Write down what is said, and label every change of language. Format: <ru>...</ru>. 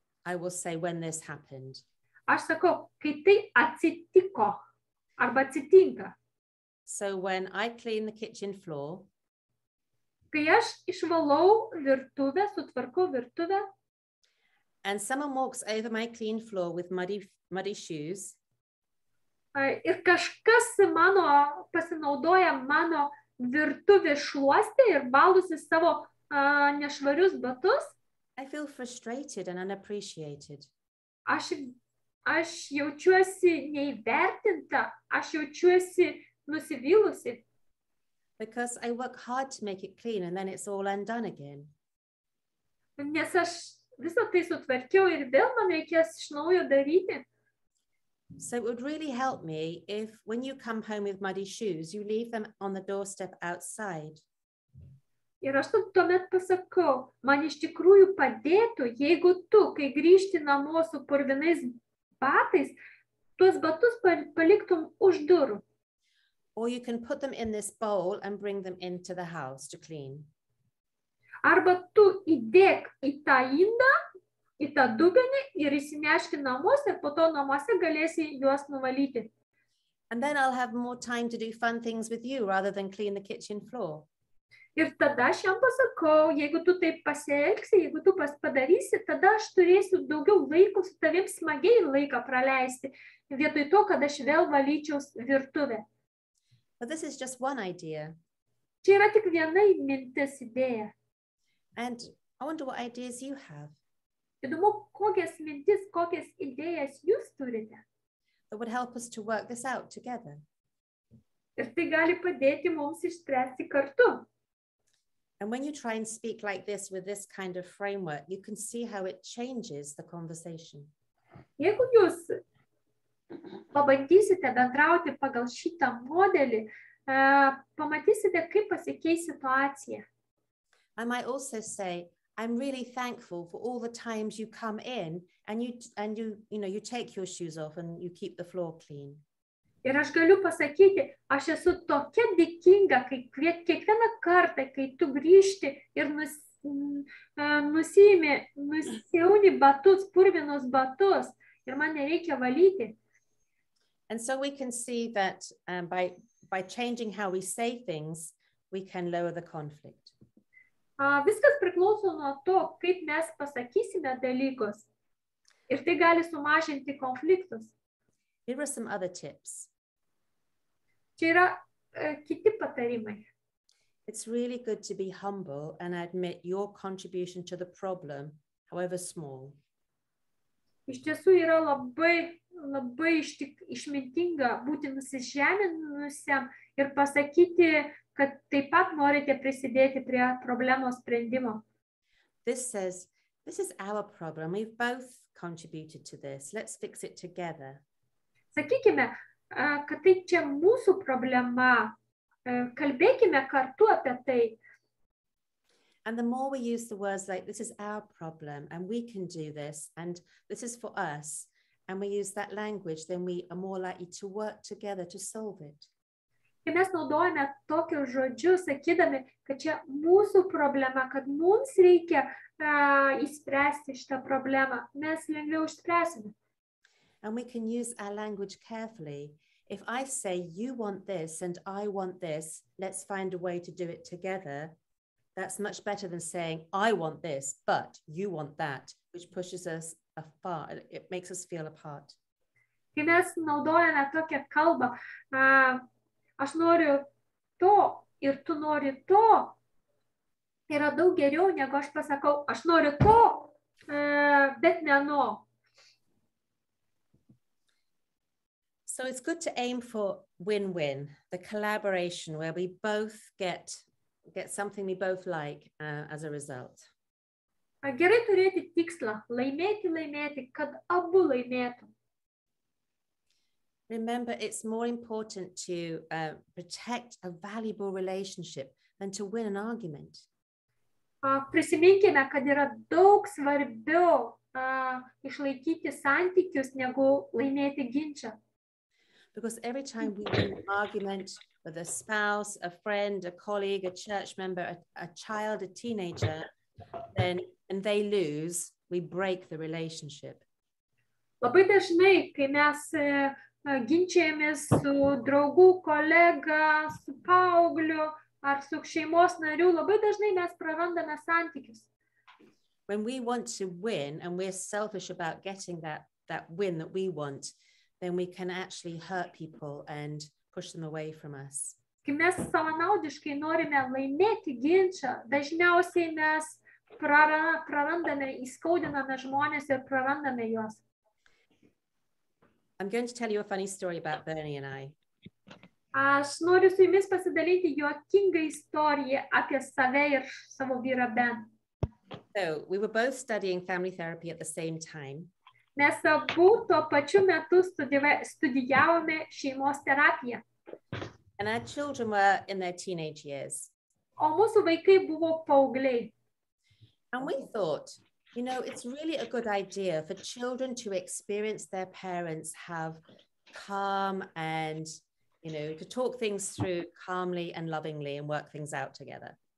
<en>I will say, when this happened.</en> <lt>Aš sakau, kai tai atsitiko arba atsitinka.</lt> <en>So when I clean the kitchen floor,</en> <lt>kai aš išvalau virtuvę, sutvarkau virtuvę,</lt> <en>and someone walks over my clean floor with muddy muddy shoes.</en> <lt>Ir kažkas mano pasinaudoja mano virtuvės šluoste ir valosi savo nešvarius batus.</lt> <en>I feel frustrated and unappreciated.</en> <lt>Aš jaučiuosi neįvertinta, aš jaučiuosi nusivylusi.</lt> <en>Because I work hard to make it clean and then it's all undone again.</en> <lt>Nes aš visą tai sutvarkiau ir vėl man reikės iš naujo daryti.</lt> <en>So it would really help me if when you come home with muddy shoes, you leave them on the doorstep outside.</en> <lt>Ir aš tuomet pasakau, man iš tikrųjų padėtų, jeigu tu, kai grįžti namo su purvinais batais, tuos batus paliktum už durų.</lt> <en>Or you can put them in this bowl and bring them into the house to clean.</en> <lt>Arba tu įdėk į tą indą, į tą dubenį ir įsineški namus ir po to namuose galėsi juos nuvalyti.</lt> <en>And then I'll have more time to do fun things with you rather than clean the kitchen floor.</en> <lt>Ir tada aš jam pasakau, jeigu tu taip pasielgsi, jeigu tu padarysi, tada aš turėsiu daugiau laiko su tavim smagiai laiką praleisti, vietoj to, kad aš vėl valyčiau virtuvę.</lt> <en>But this is just one idea.</en> <lt>Čia yra tik viena mintis idėja.</lt> <en>And I wonder what ideas you have.</en> <lt>Įdomu, kokias mintis, kokias idėjas jūs turite.</lt> <en>That would help us to work this out together.</en> <lt>Ir tai gali padėti mums išspręsti kartu.</lt> <en>And when you try and speak like this with this kind of framework, you can see how it changes the conversation.</en> <lt>Jeigu jūs pabandysite bendrauti pagal šitą modelį, pamatysite, kaip pasikeis situacija.</lt> <en>I might also say, I'm really thankful for all the times you come in and you take your shoes off and you keep the floor clean.</en> <lt>Ir aš galiu pasakyti, aš esu tokia dėkinga, kai kiekvieną kartą, kai tu grįžti ir nusiauni batus, purvinus batus, ir man nereikia valyti.</lt> <en>And so we can see that by changing how we say things, we can lower the conflict.</en> <lt>Viskas priklauso nuo to, kaip mes pasakysime dalykus. Ir tai gali sumažinti konfliktus.</lt> <en>Here are some other tips.</en> <lt>Čia yra kiti patarimai.</lt> <en>It's really good to be humble and admit your contribution to the problem, however small.</en> <lt>Iš tiesų yra labai, labai išmintinga būti nusižeminusiam ir pasakyti, kad taip pat norite prisidėti prie problemos sprendimo.</lt> <en>This says, this is our problem. We've both contributed to this. Let's fix it together.</en> <lt>Sakykime, kad tai čia mūsų problema. Kalbėkime kartu apie tai.</lt> <en>And the more we use the words like, this is our problem, and we can do this, and this is for us, and we use that language, then we are more likely to work together to solve it.</en> <lt>Kai mes naudojame tokius žodžius, sakydami, kad čia mūsų problema, kad mums reikia išspręsti šitą problemą, mes lengviau išspręsime.</lt> <en>And we can use our language carefully. If I say, you want this and I want this, let's find a way to do it together. That's much better than saying, I want this, but you want that, which pushes us afar. It makes us feel apart.</en> <lt>Kai mes naudojame tokią kalbą, aš noriu to ir tu nori to, yra daug geriau negu aš pasakau, aš noriu to, bet ne no.</lt> <en>So it's good to aim for win-win, the collaboration where we both get something we both like as a result.</en> <lt>Gerai turėti tikslą, laimėti, kad abu laimėtų.</lt> <en>Remember, it's more important to protect a valuable relationship than to win an argument.</en> <lt>Prisiminkime, kad yra daug svarbiau išlaikyti santykius negu laimėti ginčą.</lt> <en>Because every time we win an argument with a spouse, a friend, a colleague, a church member, a child, a teenager, then and they lose, we break the relationship.</en> <lt>Labai dažnai, kai mes ginčiamės su draugu, kolega, su paaugliu ar su šeimos nariu, labai dažnai mes prarandame santykius.</lt> <en>When we want to win and we're selfish about getting that that win that we want, then we can actually hurt people and push them away from us.</en> <lt>Kai mes savanaudiškai norime laimėti ginčą, dažniausiai mes prarandame, įskaudiname žmonės ir prarandame juos.</lt> <en>I'm going to tell you a funny story about Bernie and I.</en> <lt>Aš noriu su jumis pasidalyti juokingą istoriją apie save ir savo vyrą Ben.</lt> <en>So, we were both studying family therapy at the same time.</en> <lt>Mes abu tuo pačiu metu studijavome šeimos terapiją.</lt> <en>And our children were in their teenage years.</en> <lt>O mūsų vaikai buvo paaugliai.</lt> <en>And we thought, you know, it's really a good idea for children to experience their parents have calm and, you know, to talk things through calmly and lovingly and work things out together.</en>